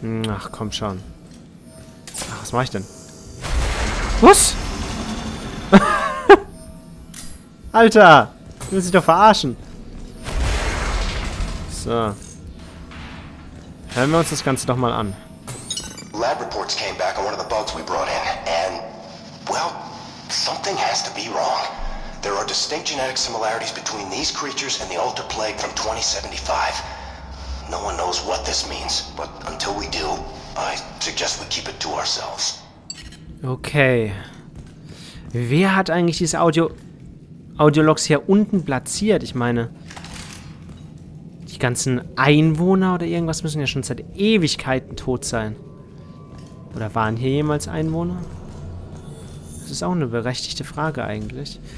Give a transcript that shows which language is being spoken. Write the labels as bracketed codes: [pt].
[de] Ach, komm schon. Ach, was mache ich denn? Was? Alter! Du willst dich doch verarschen. So. Hören wir uns das Ganze doch mal an. [en] Lab reports came back on one of the bugs we brought in. And, well, something has to be wrong. There are distinct genetic similarities between these creatures and the Alter Plague from 2075. No one knows what this means, but until we do, I suggest we keep it to ourselves. Okay. [de] Wer hat eigentlich dieses Audiologs hier unten platziert? Ich meine, die ganzen Einwohner oder irgendwas müssen ja schon seit Ewigkeiten tot sein. Oder waren hier jemals Einwohner? Das ist auch eine berechtigte Frage eigentlich.